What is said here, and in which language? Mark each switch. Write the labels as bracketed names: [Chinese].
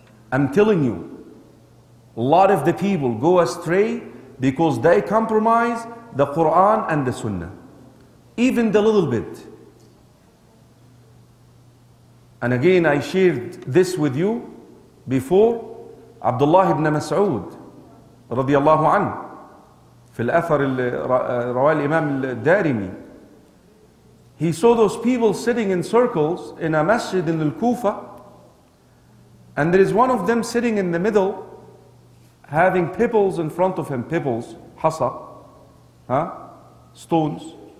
[English] I'm telling you, a lot of the people go astray because they compromise the Quran and the Sunnah. Even the little bit. And again, I shared this with you before. [Arabic] Abdullah ibn Mas'ud, رضي الله عنه, في الأثر اللي رواه الإمام الدارمي. [English] He saw those people sitting in circles in a masjid in Al-Kufa. And there is one of them sitting in the middle having pebbles in front of him, pebbles, hasa, huh? Stones.